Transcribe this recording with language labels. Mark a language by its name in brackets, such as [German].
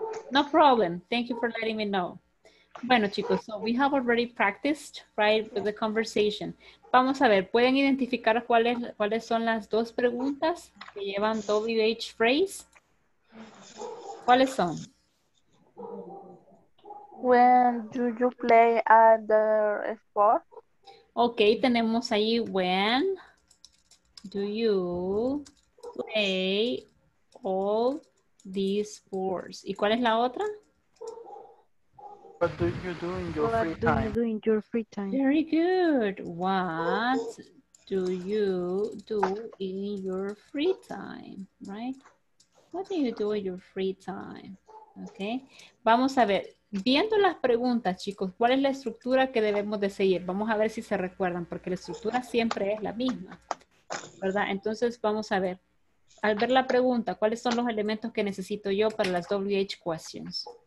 [English] No problem, thank you for letting me know. [Spanish] Bueno, chicos, [English] so we have already practiced, right, with the conversation. [Spanish] Vamos a ver, ¿pueden identificar cuáles son las dos preguntas que llevan WH phrase? ¿Cuáles son? [English] When do you play other sport? [Spanish] Ok, tenemos ahí, [English] when do you play all these sports? [Spanish] ¿Y cuál es la otra? [English] What do you do in your free time? Very good. What do you do in your free time? Right? What do you do in your free time? [Spanish] Okay. Vamos a ver. Viendo las preguntas, chicos, ¿cuál es la estructura que debemos de seguir? Vamos a ver si se recuerdan, porque la estructura siempre es la misma, ¿verdad? Entonces, vamos a ver. Al ver la pregunta, ¿cuáles son los elementos que necesito yo para las WH questions?